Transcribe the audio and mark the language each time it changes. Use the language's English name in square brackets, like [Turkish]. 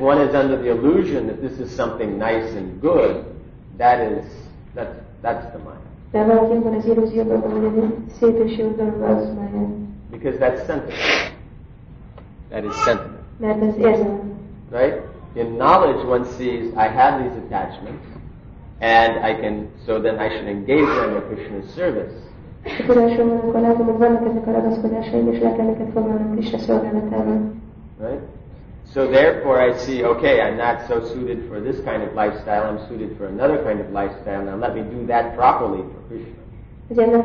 [English] one is under the illusion that this is something nice and good, that's the maya. [Hungarian] De valaki abban az illúzióban van, hogy szép és jó dolog az maja. [English] Because that's sentiment. That is sentiment. [Hungarian] Mert ez érzelem. [English] Right? In knowledge one sees, I have these attachments, and I can, so then I should engage them in Krishna's service. [Hungarian] A tudásomban, akkor látom, hogy vannak ezek a ragaszkodásaim, és le kell neked foglalnom Krishna szolgálatában. [English] Right? So therefore I see, okay, I'm not so suited for this kind of lifestyle, I'm suited for another kind of lifestyle, now let me do that properly for